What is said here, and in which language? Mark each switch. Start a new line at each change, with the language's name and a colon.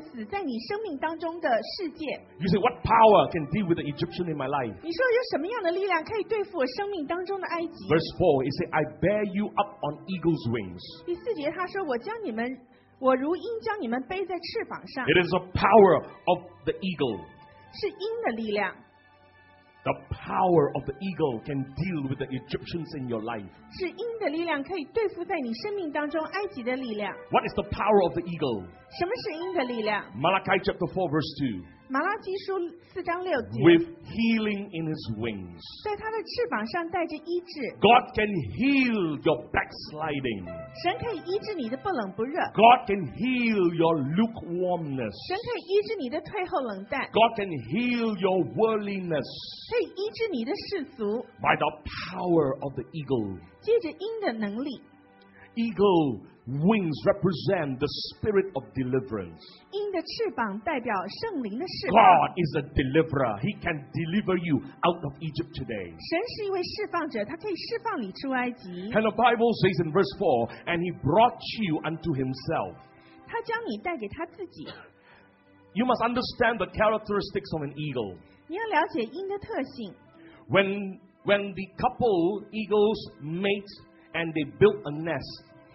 Chinese: 所以各位，你今天一定要相信神可以钉死在你生命当中的世界。
English: You say, what power can deal with the Egyptian in my life?
Chinese: 你说有什么样的力量可以对付我生命当中的埃及？
English: Verse 4, it says, I bear you up on eagle's wings.
Chinese: 第四节他说，我如鹰将你们背在翅膀上。
English: It is the power of the eagle.
Chinese: 是鹰的力量。
English: The power of the eagle can deal with the Egyptians in your life.
Chinese: 是鹰的力量可以对付在你生命当中埃及的力量。
English: What is the power of the eagle?
Chinese: 什么是鹰的力量?
English: Malachi chapter 4 verse 2.
Chinese: 马拉基书4章6节。
English: With healing in his wings.
Chinese: 在他的翅膀上带着医治。
English: God can heal your backsliding.
Chinese: 神可以医治你的不冷不热。
English: God can heal your lukewarmness.
Chinese: 神可以医治你的退后冷淡。
English: God can heal your worldliness.
Chinese: 可以医治你的世俗。
English: By the power of the eagle.
Chinese: 借着鹰的能力。
English: Eagle wings represent the spirit of deliverance.
Chinese: 鹰的翅膀代表圣灵的释放。
English: God is a deliverer. He can deliver you out of Egypt today.
Chinese: 神是一位释放者，他可以释放你出埃及。
English: And the Bible says in verse 4, and he brought you unto himself.
Chinese: 他将你带给他自己。
English: You must understand the characteristics of an eagle.
Chinese: 你要了解鹰的特性。
English: When the couple eagles mate and they built a nest,